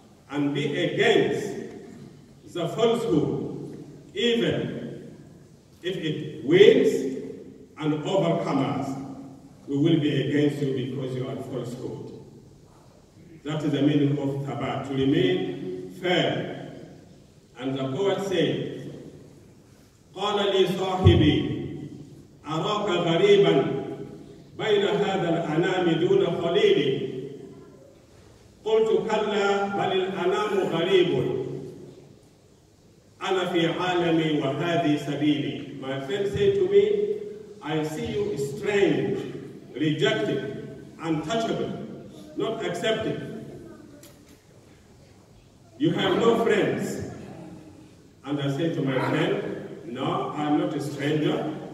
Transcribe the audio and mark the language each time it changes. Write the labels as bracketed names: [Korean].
[English] And be against the falsehood, even if it wins and overcomes us, we will be against you because you are falsehood. That is the meaning of Tabat, to remain fair. [Arabic] And the poet said, قَالَ لِي صَاحِبِي أَرَاكَ غَرِيبًا بَيْنَ هَذَا الْأَنَامِ دُونَ خَلِيلِ قُلْتُ كَلَّا بَلِ الْأَنَامُ غَرِيبٌ أَنَا فِي عَالَمِي وَهَذِي سَبِيلِي. [English] My friend said to me, I see you strange, rejected, untouchable, not accepted. You have no friends. And I said to my friend, no, I'm not a stranger.